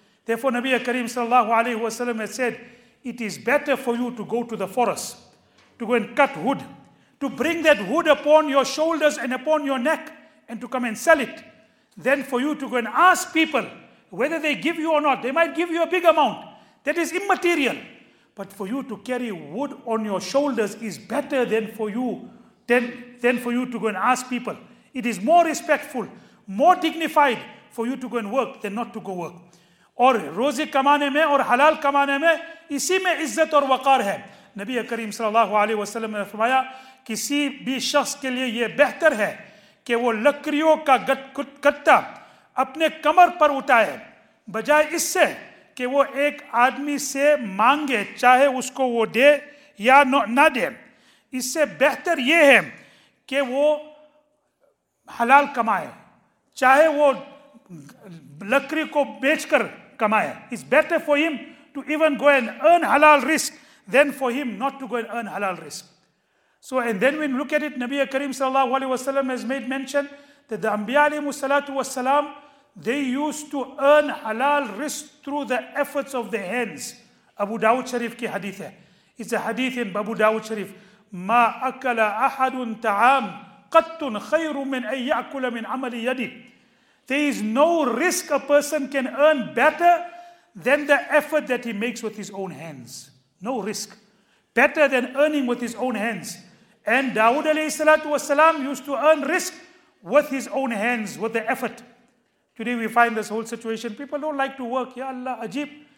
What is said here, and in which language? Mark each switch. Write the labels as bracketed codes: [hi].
[en] Therefore, Nabi Kareem sallallahu alayhi wa sallam has said, it is better for you to go to the forest, to go and cut wood, to bring that wood upon your shoulders and upon your neck, and to come and sell it, than for you to go and ask people whether they give you or not. They might give you a big amount. That is immaterial. But for you to carry wood on your shoulders is better than for you to go and ask people. It is more respectful, more dignified for you to go and work than not to go work. [ur] اور روزی کمانے میں اور حلال کمانے میں اسی میں عزت اور وقار ہے. نبی کریم صلی اللہ علیہ وسلم نے فرمایا, کسی بھی شخص کے لیے یہ بہتر ہے کہ وہ لکڑیوں کا گٹا اپنے کمر پر اٹھائے بجائے اس سے کہ وہ ایک آدمی سے مانگے, چاہے اس کو وہ دے یا نہ دے. اس سے بہتر یہ ہے کہ وہ حلال کمائے, چاہے وہ لکڑی کو بیچ کر کمائے. [en] It's better for him to even go and earn halal rizq than for him not to go and earn halal rizq. So, and then when we look at it, Nabi Kareem sallallahu alayhi wa sallam has made mention that the Anbiya alayhimu salatu wa salam, they used to earn halal rizq through the efforts of their hands. [ur] Abu Dawud Sharif ki hadith hai. [en] It's a hadith in Abu Dawud Sharif. [ar] مَا أَكَلَ أَحَدٌ تَعَامٌ قَتٌ خَيْرٌ مِنْ أَن يَأْكُلَ مِنْ عَمَلِ يَدِهِ. [en] There is no risk a person can earn better than the effort that he makes with his own hands. No risk. Better than earning with his own hands. And Dawood alayhi salatu wasalam used to earn risk with his own hands, with the effort. Today we find this whole situation. People don't like to work. [ur] Ya Allah, ajib.